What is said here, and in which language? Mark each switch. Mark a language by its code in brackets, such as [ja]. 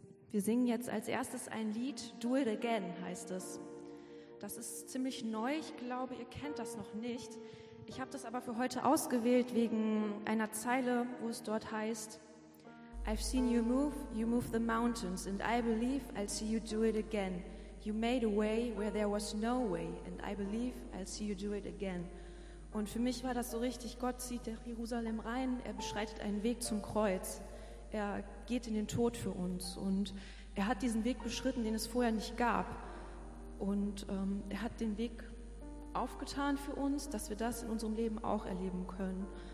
[de] Wir singen jetzt als erstes ein Lied, Do It Again heißt es. Das ist ziemlich neu, ich glaube, ihr kennt das noch nicht. Ich habe das aber für heute ausgewählt wegen einer Zeile, wo es dort heißt: [en] I've seen you move the mountains, and I believe I'll see you do it again. You made a way where there was no way, and I believe I'll see you do it again. [de] Und für mich war das so richtig, Gott zieht nach Jerusalem rein, er beschreitet einen Weg zum Kreuz. Er geht in den Tod für uns und er hat diesen Weg beschritten, den es vorher nicht gab. Und er hat den Weg aufgetan für uns, dass wir das in unserem Leben auch erleben können.